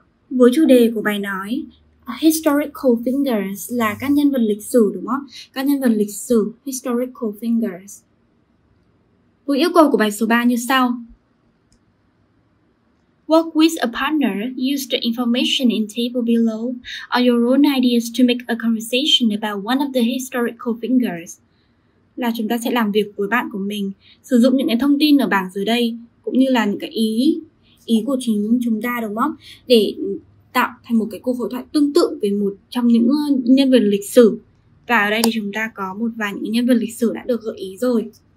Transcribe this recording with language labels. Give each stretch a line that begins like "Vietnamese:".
Vietnamese: Với chủ đề của bài nói,
English: historical figures
Vietnamese: là các nhân vật lịch sử đúng không? Các nhân vật lịch sử,
English: historical figures.
Vietnamese: Với yêu cầu của bài số 3 như sau.
English: Work with a partner, use the information in table below or your own ideas to make a conversation about one of the historical figures.
Vietnamese: Là chúng ta sẽ làm việc với bạn của mình, sử dụng những cái thông tin ở bảng dưới đây cũng như là những cái ý của chúng ta đúng không? Để tạo thành một cái cuộc hội thoại tương tự về một trong những nhân vật lịch sử. Và ở đây thì chúng ta có một vài những nhân vật lịch sử đã được gợi ý rồi.